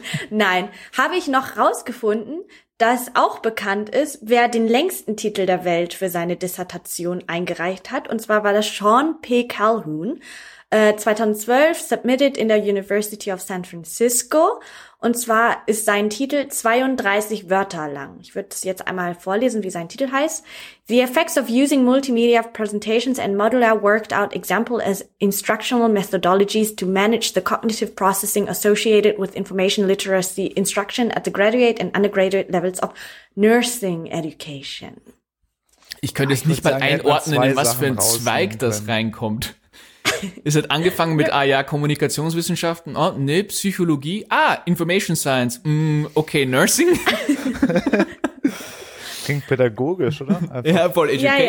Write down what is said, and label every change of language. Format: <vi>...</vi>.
<de>Nein, habe ich noch rausgefunden, dass auch bekannt ist, wer den längsten Titel der Welt für seine Dissertation eingereicht hat. Und zwar war das Sean P. Calhoun, 2012 submitted in der University of San Francisco. Und zwar ist sein Titel 32 Wörter lang. Ich würde es jetzt einmal vorlesen, wie sein Titel heißt.</de> <en>The effects of using multimedia presentations and modular worked out example as instructional methodologies to manage the cognitive processing associated with information literacy instruction at the graduate and undergraduate levels of nursing education.</en> <de>Ich könnte es nicht mal einordnen, in was für ein Zweig das reinkommt. Es hat angefangen mit, Kommunikationswissenschaften, Psychologie, Information Science, okay, Nursing. Klingt pädagogisch, oder? Einfach. Ja, voll Education.</de>